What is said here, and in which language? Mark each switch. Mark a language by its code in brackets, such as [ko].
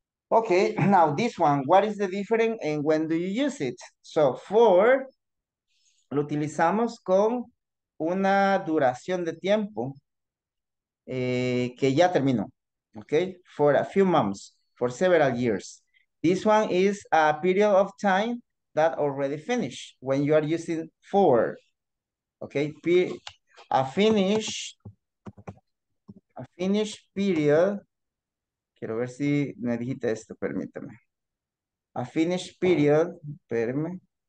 [en] Okay, now this one, what is the difference and when do you use it? [es] So, for lo utilizamos con una duración de tiempo que ya terminó. [en] Okay, for a few months, for several years. This one is a period of time that already finished when you are using for. Okay, a finished period. [es] Quiero ver si me dijiste esto, permítame. [en] A finished period, [es] espérame.